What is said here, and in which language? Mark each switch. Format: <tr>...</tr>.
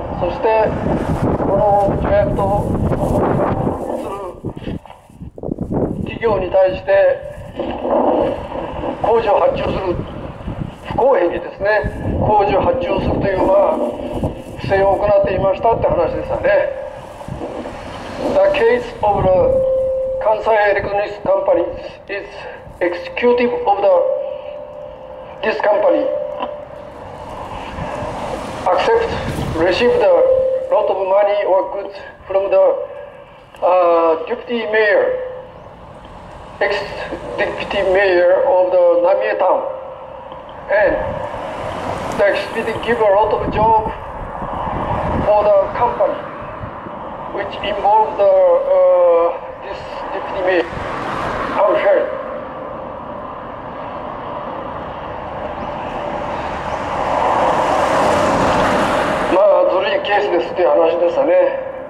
<ja>そしてこの助役とする企業に対して工事を発注する、公平にですね、工事を発注するというのは不正を行っていましたって話でしたね。</ja> <en>The case of the</en> <ja>関</ja> <en>Kansai Electronics Company is executive of the this company. Accept, receive the lot of money or goods from the deputy mayor, ex-deputy mayor of the Namie town. And the ex-deputy give a lot of job for the company, which involved the, this deputy mayor, Tom Sherry.</en> <ja>まあ、ずるいケースですという話でしたね。</ja>